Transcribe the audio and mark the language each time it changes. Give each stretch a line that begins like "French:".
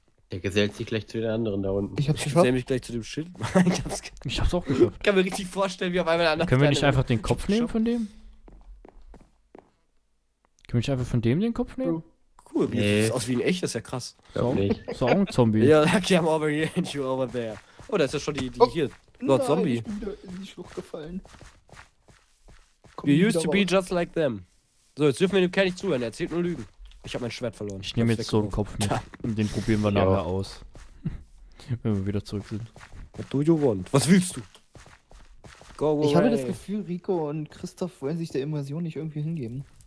German: Der gesellt sich gleich zu den anderen da unten. Ich hab's geschafft. Gesell mich gleich zu dem Schild. Ich hab's auch geschafft. Ich kann mir richtig vorstellen, wie auf einmal der andere. Können wir nicht einfach den Kopf nehmen von dem? Können wir nicht einfach von dem den Kopf nehmen? Cool, wie nee. Sieht aus wie ein echt, das ist ja krass. So ein Zombie.
English: Ja, okay, I'm over here and you over there.
German: Oh, da ist ja schon die hier.
English: Lord
German: nein, Zombie. Ich bin da in die Schlucht gefallen.
English: Komm, you used to be just like them.
German: So, jetzt dürfen wir dem Kerl nicht zuhören. Er erzählt nur Lügen. Ich hab mein Schwert verloren. Ich nehme jetzt so einen Kopf mit. Und den probieren wir nachher aus. Wenn wir wieder zurück sind.
English: What do you want?
German: Was willst du?
English: Go away.
German: Ich habe das Gefühl, Rico und Christoph wollen sich der Invasion nicht irgendwie hingeben.